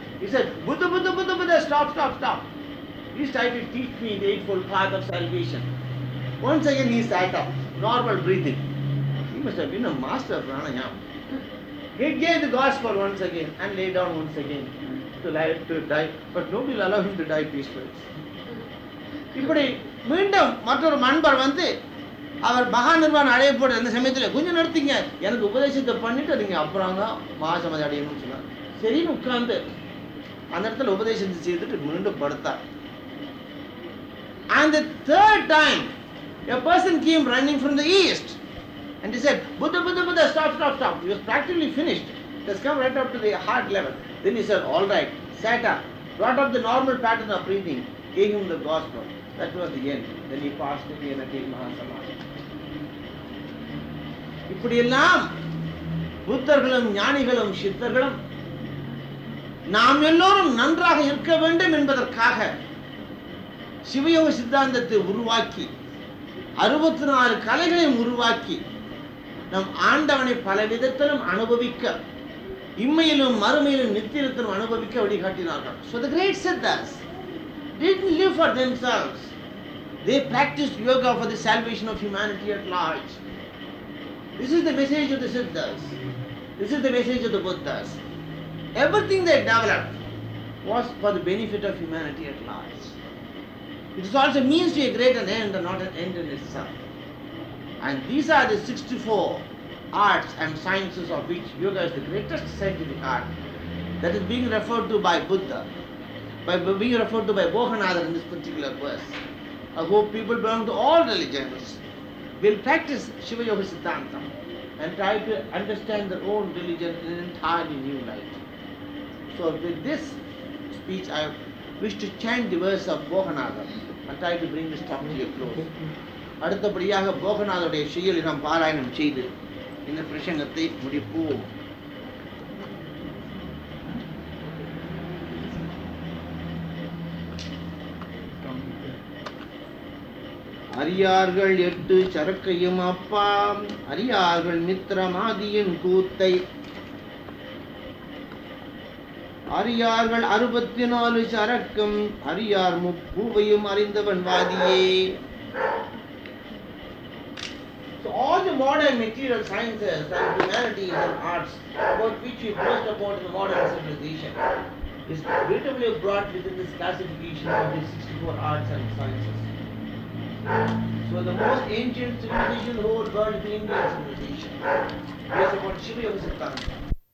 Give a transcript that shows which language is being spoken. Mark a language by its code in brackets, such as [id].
[en] He said, Buddha, stop. Please try to teach me the Eightfold Path of Salvation. Once again he sat up, normal breathing. He must have been a master of pranayam. He gave the gospel once again and lay down once again to die. But nobody will allow him to die peacefully. [ta] இப்படி மீண்டும் மற்றொரு மன்பர் வந்து அவர் மகா நிர்வாணம் அடையப்படுற அந்த சமயத்தில் கொஞ்சம் நடத்திங்க, எனக்கு உபதேசத்தை பண்ணிட்டு அதுங்க அப்புறம் தான் மகாசமதி அடையணும்னு சொன்னார். சரின்னு உட்கார்ந்து அந்த இடத்துல உபதேசம் செய்துட்டு மீண்டும் படுத்தார். [en] And the third time, a person came running from the east. And he said, Buddha, stop. He was practically finished. It has come right up to the heart level. Then he said, all right, sat up, brought up the normal pattern of breathing, gave him the gospel. That was the end. Then he passed away and attained Mahasamadhi. [ta] இப்படி எல்லாம் புத்தர்களும் ஞானிகளும் சித்தர்களும் நாம் எல்லோரும் நன்றாக இருக்க வேண்டும் என்பதற்காக சிவயோக சித்தாந்தத்தை உருவாக்கி 64 கலைகளையும் உருவாக்கி நம் ஆண்டவனை பல விதத்திலும் அனுபவிக்க இம்மையிலும் மறுமையிலும் நித்தியத்திலும் அனுபவிக்க வழிகாட்டினார்கள். [en] So the great siddhas didn't live for themselves. They practiced yoga for the salvation of humanity at large. This is the message of the siddhas. This is the message of the buddhas. Everything they developed was for the benefit of humanity at large. It is also means to a greater end and not an end in itself. And these are the 64 arts and sciences of which yoga is the greatest scientific art that is being referred to by Buddha, by being referred to by Bohanada in this particular verse. I hope people belong to all religions will practice Shiva Yoga Siddhantam and try to understand their own religion in an entirely new light. So with this speech, I wish to chant the verse of Bohanada and try to bring this talk to your close. [ta] அடுத்தபடியாக போகநாதருடைய செய்யலை நாம் பாராயணம் செய்து இந்த பிரசங்கத்தை முடிப்போம். அரியார்கள் எட்டு சரக்கையும் அப்பாம் அரியார்கள் மித்ரமாதியின் கூத்தை அரியார்கள் 64 சரக்கும் அரியார் முப்பூவையும் அறிந்தவன் வாதியே. [en] So all the modern material sciences and humanities and arts about which we boast about in the modern civilization is relatively brought within this classification of the 64 arts and sciences. So the most ancient civilization in the whole world is the Indian civilization, based upon Shiva Yoga Siddhanta.